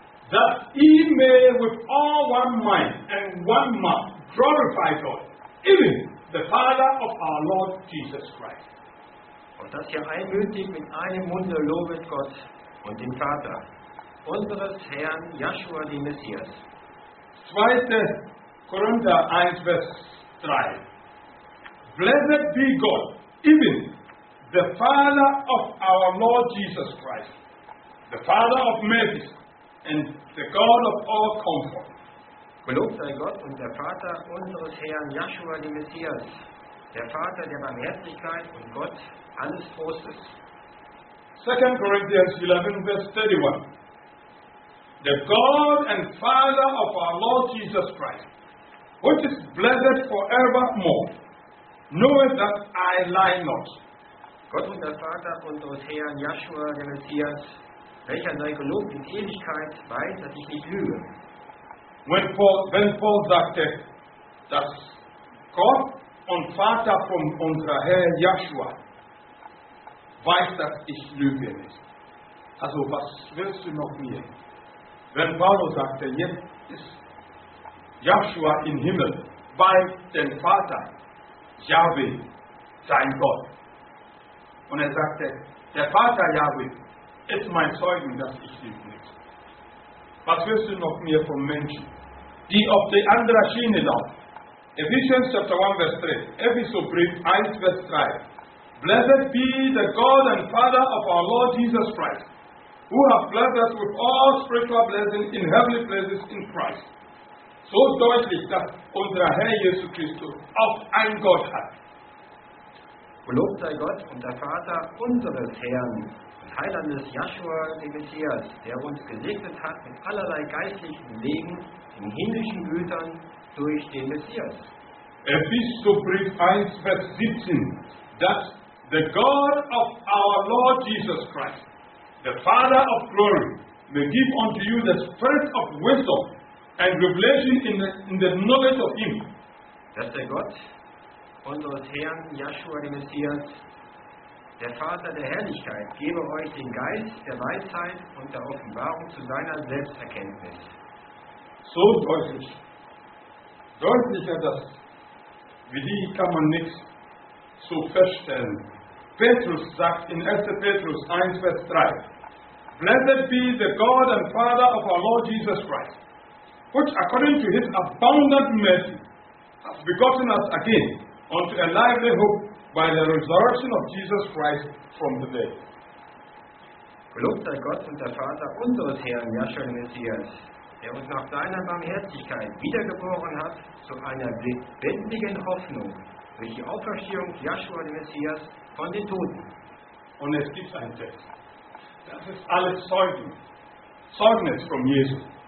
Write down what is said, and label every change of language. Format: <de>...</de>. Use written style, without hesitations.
<en>That he may with all one mind and one mouth glorify God, even the Father of our Lord Jesus Christ.</en> <de>Und dass ihr einmütig mit einem Munde lobet Gott und den Vater, unseres Herrn Joshua, den Messias. 2. Korinther 1, Vers 3.</de> <en>Blessed be God, even the Father of our Lord Jesus Christ, the Father of mercy, and the God of all comfort.</en> <de>Gelobt sei Gott und der Vater unseres Herrn Joshua, den Messias, der Vater der Barmherzigkeit und Gott alles Trostes.</de> <en>2. Corinthians 11, Vers 31. The God and Father of our Lord Jesus Christ, which is blessed forevermore, knoweth that I lie not.</en> <de>Gott und der Vater unseres Herrn Joshua, den Messias, welcher sei gelobt in Ewigkeit, weiß, dass ich nicht lüge. Wenn Paul sagte, dass Gott und Vater von unserer Herr Joshua weiß, dass ich lüge nicht. Also was willst du noch mehr? Wenn Paulus sagte, jetzt ist Joshua im Himmel bei dem Vater, Yahweh, sein Gott. Und er sagte, der Vater Yahweh ist mein Zeugen, dass ich lüge nicht. Was willst du noch mehr von Menschen, die auf die andere Schiene laufen?</de> <en>Ephesians chapter 1,</en> <de>Vers 3. Epheserbrief 1, Vers 3.</de> <en>Blessed be the God and Father of our Lord Jesus Christ, who have blessed us with all spiritual blessings in heavenly places in Christ.</en> <de>So deutlich, dass unser Herr Jesus Christus auch ein Gott hat. Gelobt sei Gott und der Vater unseres Herrn, Heilandes Joshua, den Messias, der uns gesegnet hat mit allerlei geistlichen Segen in himmlischen Gütern durch den Messias. Epheserbrief 1, Vers 17, dass</de> <en>the God of our Lord Jesus Christ, the Father of glory, may give unto you the spirit of wisdom and revelation in the knowledge of him.</en> <de>Dass der Gott unseres Herrn Joshua, den Messias, der Vater der Herrlichkeit, gebe euch den Geist der Weisheit und der Offenbarung zu seiner Selbsterkenntnis. So deutlich. Deutlicher, dass wie die kann man nichts so feststellen, Petrus sagt in 1.</de> <en>Petrus 1, Vers 3, Blessed be the God and Father of our Lord Jesus Christ, which according to his abundant mercy has begotten us again unto a lively hope by the resurrection of Jesus Christ from the dead.</en> <de>Gelobt sei Gott und der Vater unseres Herrn, Jahwe Messias, der uns nach seiner Barmherzigkeit wiedergeboren hat zu einer lebendigen Hoffnung durch die Auferstehung Jahwe Messias von den Toten. Und es gibt einen Text. Das ist alles Zeugnis von Jesus.</de>